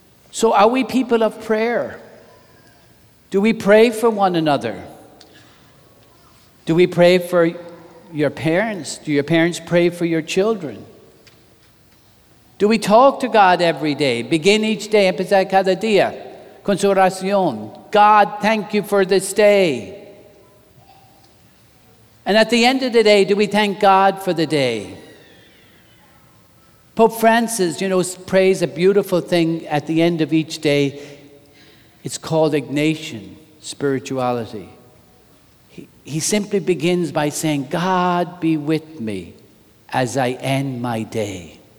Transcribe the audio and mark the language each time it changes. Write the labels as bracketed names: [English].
[English] So are we people of prayer? Do we pray for one another? Do we pray for your parents? Do your parents pray for your children? Do we talk to God every day? Begin each day, [Spanish] empezar cada día, con su oración. [English] God, thank you for this day. And at the end of the day, do we thank God for the day? Pope Francis, you know, prays a beautiful thing at the end of each day. It's called Ignatian spirituality. He simply begins by saying, God be with me as I end my day.